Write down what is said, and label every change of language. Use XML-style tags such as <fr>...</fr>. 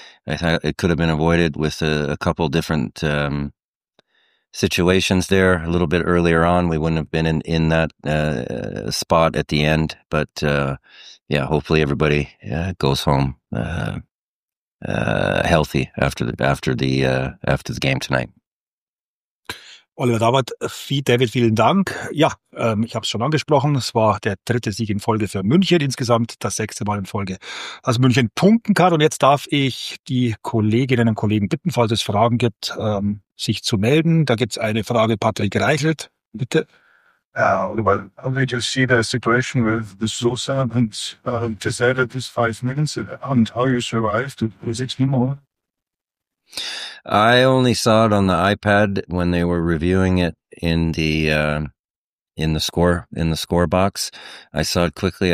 <en>I thought it could have been avoided with a couple different situations there. A little bit earlier on, we wouldn't have been in that spot at the end. But yeah, hopefully everybody goes home healthy after the game tonight.</en> <de>Oliver Dauert, David, vielen Dank. Ja, ich habe es schon angesprochen, es war der dritte Sieg in Folge für München insgesamt, das sechste Mal in Folge, als München punkten kann. Und jetzt darf ich die Kolleginnen und Kollegen bitten, falls es Fragen gibt, sich zu melden. Da gibt es eine Frage, Patrick Reichelt, bitte.</de> <en>How did you see the situation with the Sosa and Tezera this 5 minutes and how you survived? Is it anymore? I only saw it on the iPad when they were reviewing it in the score box. I saw it quickly.</en>